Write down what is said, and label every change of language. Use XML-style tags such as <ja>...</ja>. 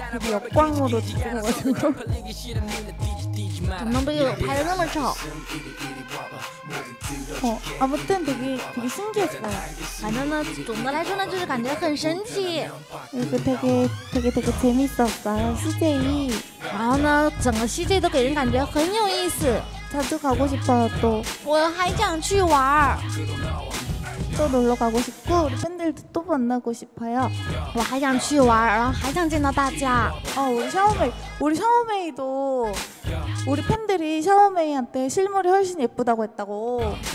<zh>有光我都知道了怎么被我拍的那么丑</zh> <ko>아무튼 되게 신기했어요</ko> <zh>反正呢 总的来说呢 就是感觉很神奇</zh> <ko>되게 재밌었어요 CJ</ko> <zh>然后呢 整个 CJ 都给人感觉很有意思</zh> <ko>자주 가고 싶어요 또</ko> <zh>我还想去玩</zh> <ko>또 놀러 가고 싶고 우리 팬들도 또 만나고 싶어요</ko> <zh>我还想去玩 然后还想见到大家</zh> <ko>우리 샤오메이도 우리 팬들이 샤오메이한테 실물이 훨씬 예쁘다고 했다고</ko>